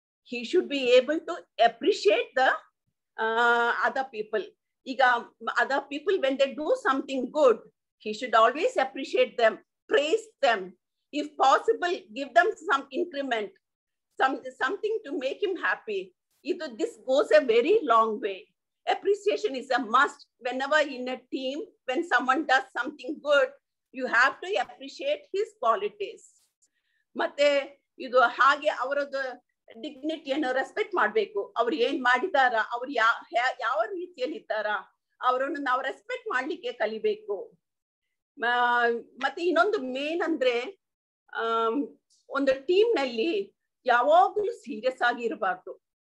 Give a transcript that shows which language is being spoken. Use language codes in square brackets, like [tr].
[en] He should be able to appreciate the other people. ಈಗ other people when they do something good, he should always appreciate them, praise them, if possible give them some increment, something to make him happy. ಇದು this goes a very long way. Appreciation is a must. Whenever in a team, when someone does something good, you have to appreciate his qualities. [kn] ಮತ್ತೆ ಇದು ಹಾಗೆ ಅವರದ್ದು ಡಿಗ್ನಿಟಿಯನ್ನು respect ಮಾಡಬೇಕು. ಅವ್ರು ಏನ್ ಮಾಡಿದಾರ, ಅವ್ರು ಯಾವ ರೀತಿಯಲ್ಲಿ ಇದ್ದಾರ, ಅವರನ್ನು ನಾವು ರೆಸ್ಪೆಕ್ಟ್ ಮಾಡ್ಲಿಕ್ಕೆ ಕಲಿಬೇಕು. ಮತ್ತೆ ಇನ್ನೊಂದು ಮೇನ್ ಅಂದ್ರೆ, ಒಂದು ಟೀಮ್ನಲ್ಲಿ ಯಾವಾಗ್ಲೂ ಸೀರಿಯಸ್ ಆಗಿ ಇರಬಾರ್ದು.